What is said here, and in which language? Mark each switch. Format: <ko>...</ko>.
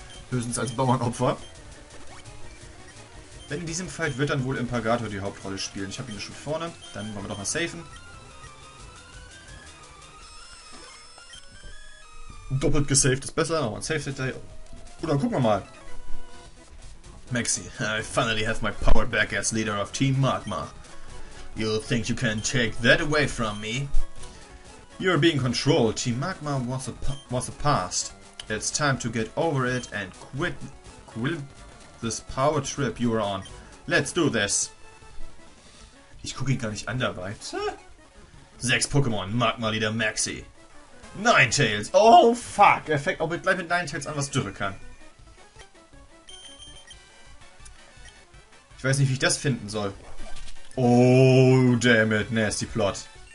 <de>Höchstens als Bauernopfer. In diesem Fall wird dann wohl Impagator die Hauptrolle spielen. Ich habe ihn schon vorne. Dann wollen wir doch mal safen. Doppelt gesaved ist besser. Nochmal safe Detail. Oder gucken wir mal.</de> <en>Maxi, I finally have my power back as leader of Team Magma. You think you can take that away from me? You're being controlled. Team Magma was a past. It's time to get over it and quit. This power trip you are on. Let's do this.</en> <de>Ich gucke ihn gar nicht an dabei. 6 Pokémon, Magma Leader Maxi. Ninetales.</de> <en>Oh fuck.</en> <de>Er fängt auch mit, gleich mit Ninetales an, was Dürre kann. Ich weiß nicht, wie ich das finden soll.</de> <en>Oh, damn it.</en> <de>Nasty Plot.</de>